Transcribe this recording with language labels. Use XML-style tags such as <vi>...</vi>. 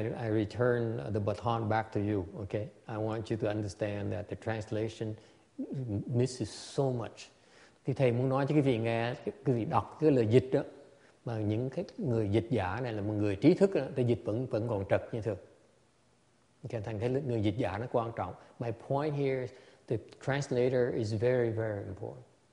<en>I return the baton back to you, okay? I want you to understand that the translation misses so much.</en> <vi>Thì thầy muốn nói cho quý vị nghe, quý vị đọc cái lời dịch đó, mà những cái người dịch giả này là một người trí thức đó, thì dịch vẫn còn trật như thường. Okay, thành cái người dịch giả nó quan trọng.</vi> <en>My point here is the translator is very, very important.</en>